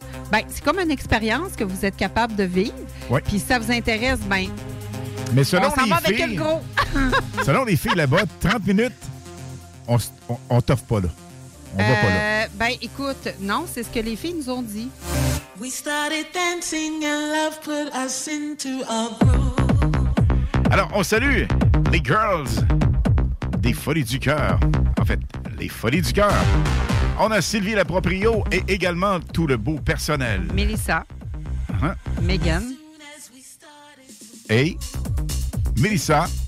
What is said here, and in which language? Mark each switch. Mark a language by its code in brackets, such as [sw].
[fr] Bien, c'est comme une expérience que vous êtes capable de vivre. Oui. Puis ça vous intéresse, bien... Mais selon les filles... On s'en va avec le gros. Selon les filles là-bas, 30 minutes, on t'offre pas là. Ben, écoute, non, c'est ce que les filles nous ont dit. [en] We started dancing and love put us into a room. [fr] Alors, on salue les girls des Folies du cœur. En fait, les Folies du cœur. On a Sylvie Laproprio et également tout le beau personnel. Mélissa. Uh-huh. Megan. Hey, Mélissa.